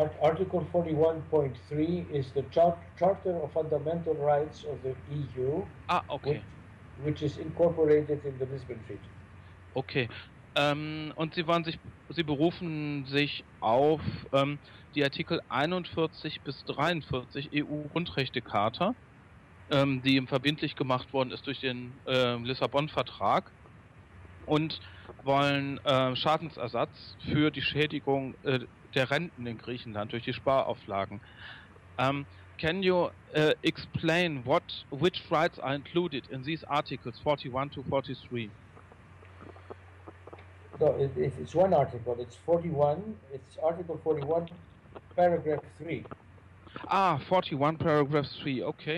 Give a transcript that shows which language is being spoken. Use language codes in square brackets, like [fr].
[en] Article 41.3 is the Charter of Fundamental Rights of the EU, which is incorporated in the Lisbon Treaty. Okay. [de] Und Sie berufen sich auf die Artikel 41 bis 43 EU-Grundrechtecharta, die ihm verbindlich gemacht worden ist durch den Lissabon-Vertrag, und wollen Schadensersatz für die Schädigung der Renten in Griechenland durch die Sparauflagen. [en] Can you explain which rights are included in these articles 41 to 43? So it's one article. It's 41. It's article 41, paragraph 3. Ah, 41, paragraph 3. Okay.